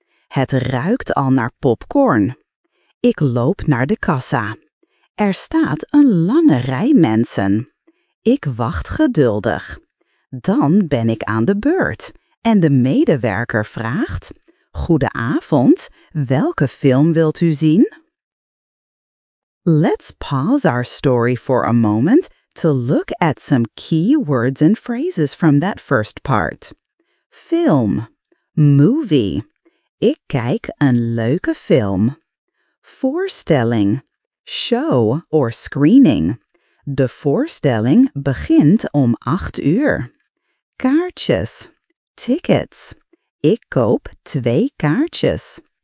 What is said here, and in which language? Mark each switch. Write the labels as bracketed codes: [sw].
[nl] Het ruikt al naar popcorn. Ik loop naar de kassa. Er staat een lange rij mensen. Ik wacht geduldig. Dan ben ik aan de beurt. En de medewerker vraagt: "Goedenavond, welke film wilt u zien?" [en] Let's pause our story for a moment to look at some key words and phrases from that first part. [nl] Film, movie, ik kijk een leuke film. Voorstelling, [en] show or screening, [nl] de voorstelling begint om 8:00. Kaartjes, tickets, ik koop 2 kaartjes.